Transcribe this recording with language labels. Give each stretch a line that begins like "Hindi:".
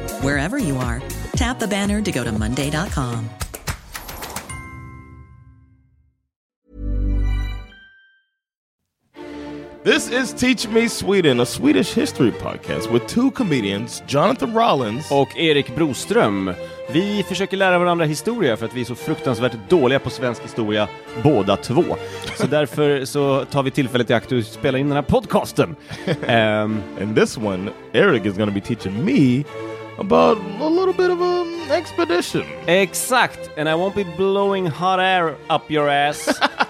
English: Wherever you are, tap the banner to go to Monday.com. This is Teach Me Sweden, a Swedish history podcast with two comedians, Jonathan Rollins
Swedish: och Erik Broström. Vi försöker lära varandra historia för att vi är så fruktansvärt dåliga på svensk historia, båda två. Så därför så tar vi tillfället i akt att spela in den här podcasten.
English: And this one, Erik is going to be teaching me about a little bit of an expedition.
Swedish: Exakt,
English: and I won't be blowing hot air up your ass.